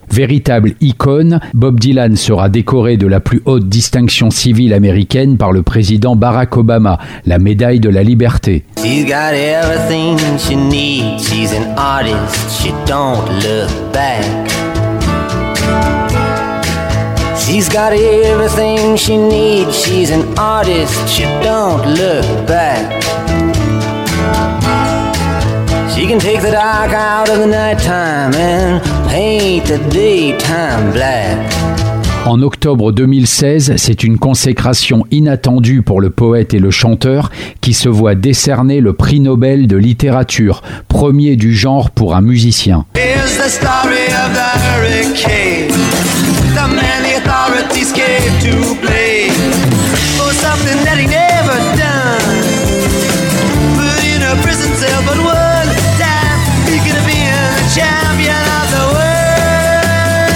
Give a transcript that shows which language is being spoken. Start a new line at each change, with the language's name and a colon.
French: Véritable icône, Bob Dylan sera décoré de la plus haute distinction civile américaine par le président Barack Obama, la médaille de la liberté.
English: She's got everything she needs. She's an artist. She don't look back. She's got everything she needs. She's an artist. She don't look back. She can take the dark out of the nighttime and paint the daytime black.
French: En octobre 2016, c'est une consécration inattendue pour le poète et le chanteur qui se voit décerner le prix Nobel de littérature, premier du genre pour un musicien.
English: Here's the story of the hurricane. The man the authorities gave to play for something that he never done. Put in a prison cell, but one time he could be a champion of the world.